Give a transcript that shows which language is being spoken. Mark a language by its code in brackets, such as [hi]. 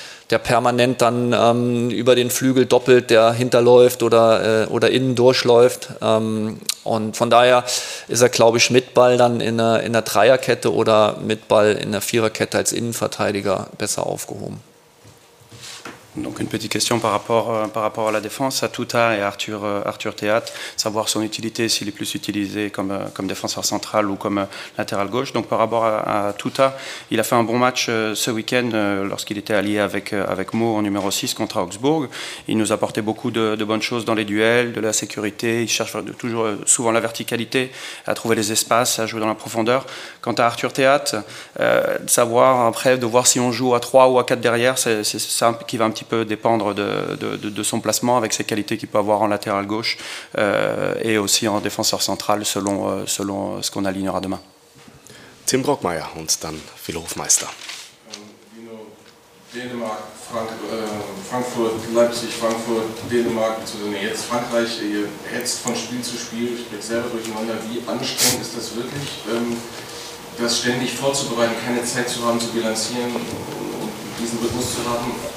[de] der permanent dann über den Flügel doppelt, der hinterläuft oder innen durchläuft. Und von daher ist er, glaube ich, mit Ball dann in der Dreierkette oder mit Ball in der Viererkette als Innenverteidiger besser aufgehoben. [fr] Donc une petite question par rapport à la défense, à Touta et Arthur Théat, savoir son utilité, s'il est plus utilisé comme défenseur central ou comme latéral gauche. Donc par rapport à Touta, il a fait un bon match ce week-end lorsqu'il était allié avec Mo en numéro 6 contre Augsbourg. Il nous apportait beaucoup de bonnes choses dans les duels, de la sécurité, il cherche toujours souvent la verticalité, à trouver les espaces, à jouer dans la profondeur. Quant à Arthur Théat, savoir après, de voir si on joue à 3 ou à 4 derrière, c'est ça qui va un petit peu dépendre de son placement avec ses qualités qu'il peut avoir en latéral gauche et aussi en défenseur central selon ce qu'on alignera demain. [de] Tim Brockmeier und dann Phil Hofmeister. Dänemark, Frankfurt, Leipzig, zu sehen. Jetzt Frankreich, ihr hetzt von Spiel zu Spiel, sprecht selber durcheinander. Wie anstrengend ist das wirklich, das ständig vorzubereiten, keine Zeit zu haben, zu bilanzieren und diesen Rhythmus zu haben?